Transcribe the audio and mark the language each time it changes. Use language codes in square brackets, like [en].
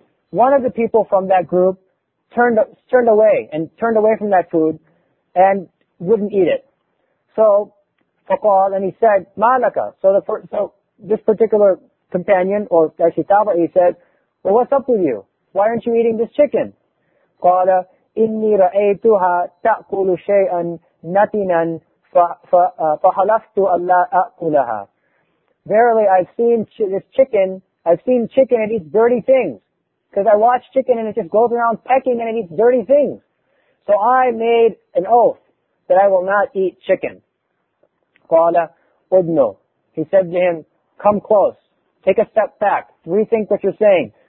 [en] One of the people from that group turned away from that food and wouldn't eat it. So, [ar] فقال, [en] and he said, [ar] مالك. [en] So this particular companion, or actually tabi'i, said, well, what's up with you? Why aren't you eating this chicken? [ar] قال, إني رأيتها تأكل شيئا نتنا فحلفت ألا أأكلها. [en] Verily, I've seen chicken and it eats dirty things. Because I watch chicken and it just goes around pecking and it eats dirty things. So I made an oath that I will not eat chicken. [ar] قال أدنو. [en] He said to him, come close. Take a step back. Rethink what you're saying.